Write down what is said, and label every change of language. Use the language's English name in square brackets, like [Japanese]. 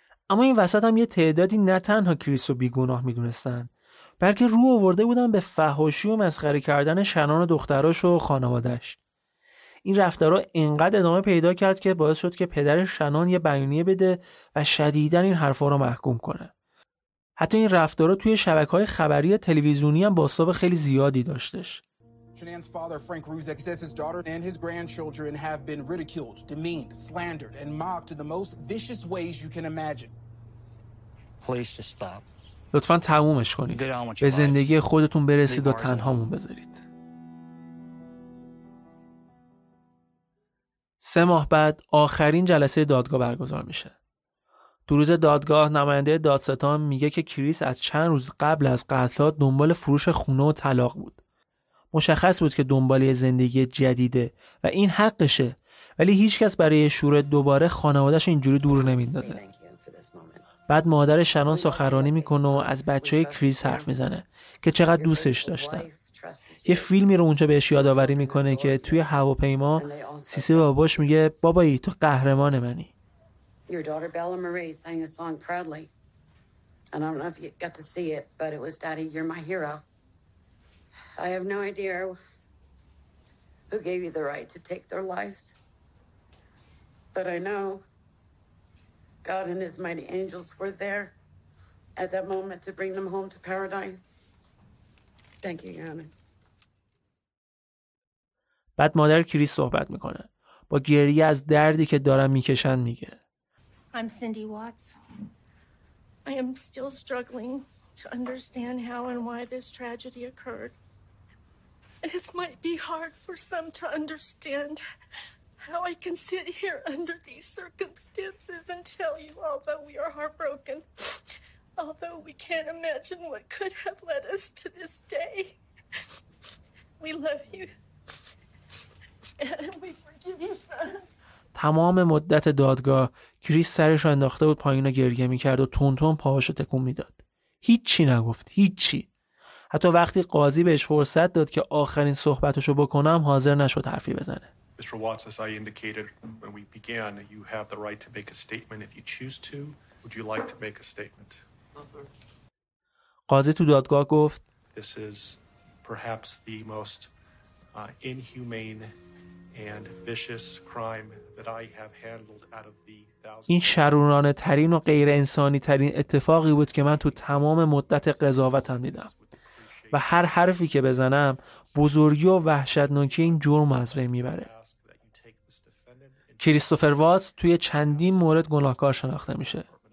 [Persian] اما این وسط هم یه تعدادی نه تنها کریس رو بیگناه میدونستن، بلکه رو آورده بودن به فحاشی و مسخره کردن شنان و دختراش و خانواده‌اش. این رفتارا اینقدر ادامه پیدا کرد که باعث شد که پدر شنان یه بیانیه بده و شدیداً این حرفا رو محکوم کنه. حتی این رفتارا توی شبکه‌های خبری تلویزیونی هم بازتاب خیلی زیادی داشتش. [English] Shanann's father Frank Ruzek says his daughter and his grandchildren have been ridiculed, demeaned, slandered and mocked in the most vicious ways you can imagine. Please just stop. [Persian] لطفاً تمومش کنید. به زندگی خودتون برسید و تنهامون بذارید. 3 ماه بعد آخرین جلسه دادگاه برگزار میشه. در روز دادگاه نماینده دادستان میگه که کریس از چند روز قبل از قتل‌ها دنبال فروش خونه و طلاق بود. مشخص بود که دنبال یه زندگی جدیده و این حقشه، ولی هیچ کس برای شروع دوباره خانوادهش اینجوری دور نمیندازه. بعد مادر شنان سخنرانی میکنه و از بچه های کریس حرف میزنه که چقدر دوستش داشتن. یه فیلمی رو اونجا بهش یادآوری میکنه که توی هواپیما سیسی باباش میگه بابایی تو قهرمان منی. [English] Your daughter Bella Marie sang a song proudly. And I don't know if you got to see it, but it was Daddy, you're my hero. I have no idea who gave you the right to take their lives. But I know God and his mighty angels were there at that moment to bring them home to paradise. Thank you, Anna. [Persian] بعد مادر کریس صحبت میکنه. با گریه از دردی که دارن میکشن میگه. [English] I'm Cindy Watts. I am still struggling to understand how and why this tragedy occurred. This might be hard for some to understand how I can sit here under these circumstances and tell you, although we are heartbroken, although we can't imagine what could have led us to this day. We love you. [Persian] تمام مدت دادگاه کریس سرش رو انداخته بود پایین و گریه میکرد و تون تون پاهاش رو تکون میداد. هیچی نگفت، هیچی. حتی وقتی قاضی بهش فرصت داد که آخرین صحبتش رو بکنم حاضر نشد حرفی بزنه. [English] Mr. Watts, as I indicated when we began, you have the right to make a statement if you choose to. Would you like to make a statement? No, sir. [Persian] قاضی تو دادگاه گفت [English] This is perhaps the most inhumane and vicious crime that I have handled out of the thousands. [Persian] این شرورانه ترین و غیر انسانی ترین اتفاقی بود که من تو تمام مدت قضاوتم دیدم و هر حرفی که بزنم بزرگی و وحشتناکی این جرم از بین میبره. کریستوفر واتس توی چندین مورد گناهکار شناخته میشه.